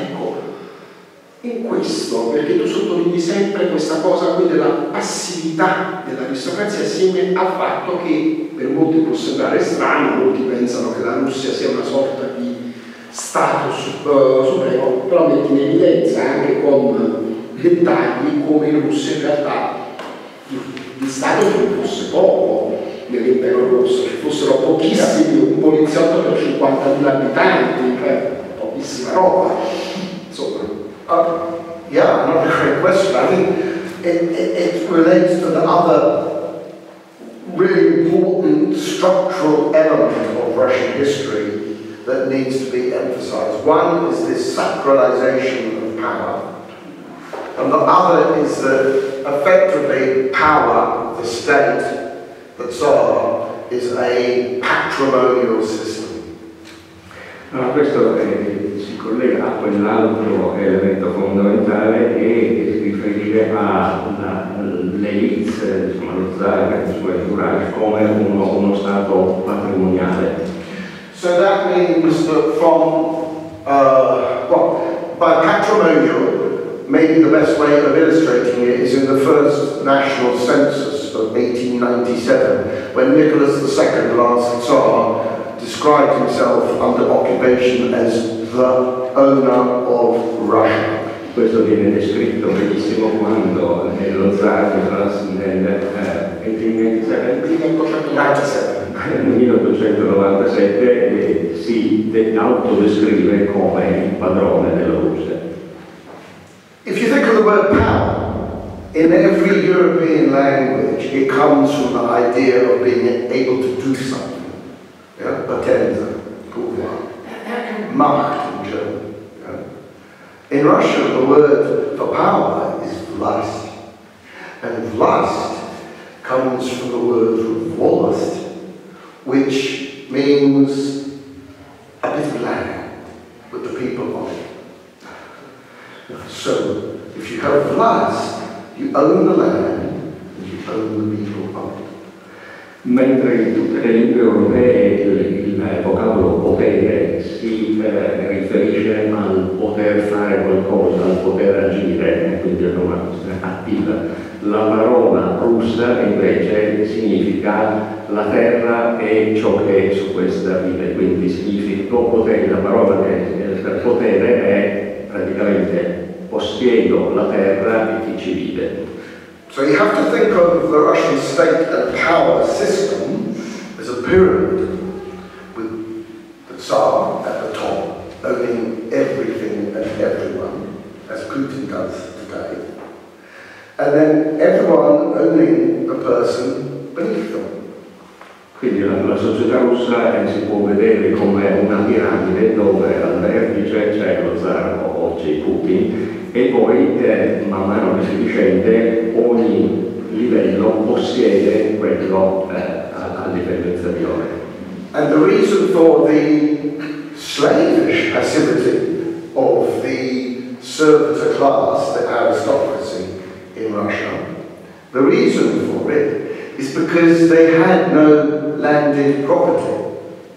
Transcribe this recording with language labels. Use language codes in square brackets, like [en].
[it] Ecco, in questo, perché tu sottolinei sempre questa cosa qui della passività dell'aristocrazia, assieme al fatto che per molti può sembrare strano, molti pensano che la Russia sia una sorta di stato supremo, però metti in evidenza anche con dettagli come in Russia in realtà di Stato ci fosse poco nell'impero russo, ci fossero pochissimi, un poliziotto per 50.000 abitanti, pochissima roba, insomma. [en] Yeah, another great question. I mean, it relates to the other really important structural element of Russian history that needs to be emphasized. One is this sacralization of power, and the other is that effectively power the state that's on is a patrimonial system. [it] Allora, questo si collega a quell'altro elemento fondamentale che si riferisce a l'elite, insomma lo zar, insomma il durare, come uno stato patrimoniale. [en] So that means that from by patrimonial, maybe the best way of illustrating it is in the first national census of 1897, when Nicholas II, the last Tsar, described himself under occupation as the owner of Russia. [it] Questo viene descritto benissimo quando nello Tsar Nicholas nel 1897 si autodescrive come il padrone della Russia. [en] If you think of the word power, in every European language, it comes from the idea of being able to do something. Yeah? Potenza, pouvoir. Macht in German. Yeah? In Russia, the word for power is власть. And власть comes from the word власть, which means a bit of land with the people on it. So, if you have власть, you own the land and you own the people of it. [it] Mentre in tutte le lingue europee il vocabolo potere si riferisce al poter fare qualcosa, al poter agire, quindi è una questione attiva, la parola russa invece significa la terra e ciò che su questa vive, quindi significa potere, la parola per potere è praticamente possiedo la terra e chi ci vive. [en] So you have to think of the Russian state and power system as a pyramid with the Tsar at the top, owning everything and everyone, as Putin does today. And then everyone owning the person beneath them. [it] Quindi la società russa si può vedere come una piramide dove al vertice c'è lo Tsar o oggi Putin. E poi, man mano che si discende, ogni livello possiede quello a livello inferiore. [en] And the reason for the slavish passivity of the servitor class, the aristocracy in Russia, the reason for it is because they had no landed property.